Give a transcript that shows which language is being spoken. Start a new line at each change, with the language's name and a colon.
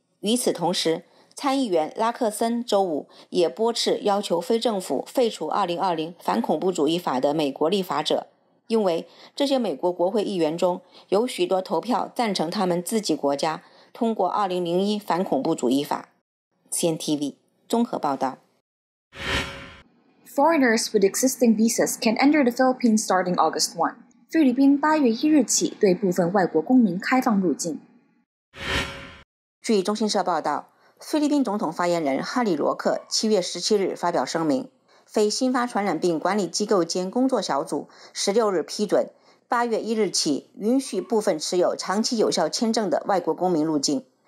Chinese: 与此同时，参议员拉克森周五也驳斥要求非政府废除2020反恐怖主义法的美国立法者，因为这些美国国会议员中有许多投票赞成他们自己国家通过2001反恐怖主义法。 CNTV 综合报道。
English: Foreigners with existing visas can enter the Philippines starting August 1.
Chinese: 菲律宾8月1日起对部分外国公民开放入境。据中新社报道，菲律宾总统发言人哈里罗克7月17日发表声明，非新发传染病管理机构间工作小组16日批准8月1日起允许部分持有长期有效签证的外国公民入境。